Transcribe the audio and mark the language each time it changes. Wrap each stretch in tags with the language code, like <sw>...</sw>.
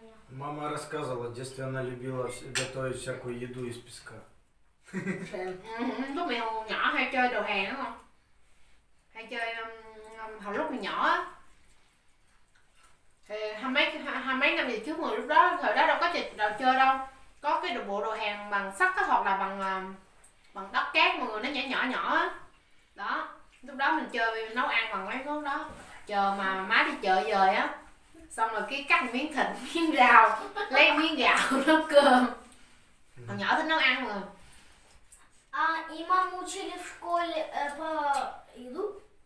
<ru>Мама рассказывала, в детстве она любила готовить всякую еду из песка.</ru> <vi>Lúc mình nhỏ hay chơi đồ hàng đúng không? Hay chơi hồi lúc mình nhỏ á. Thì hai mấy năm về trước người lúc đó thời đó đâu có chơi đồ chơi đâu, có cái đồ bộ đồ hàng bằng sắt đó, hoặc là bằng đất cát mọi người, nó nhỏ đó. Lúc đó mình chơi nấu ăn bằng mấy món đó, chờ mà má đi chợ về á, xong rồi cái cắt miếng thịt miếng rau lấy miếng gạo nấu cơm. Còn nhỏ thích nấu ăn mà.</vi> <ru>А и маму учили в школе по еду?</ru>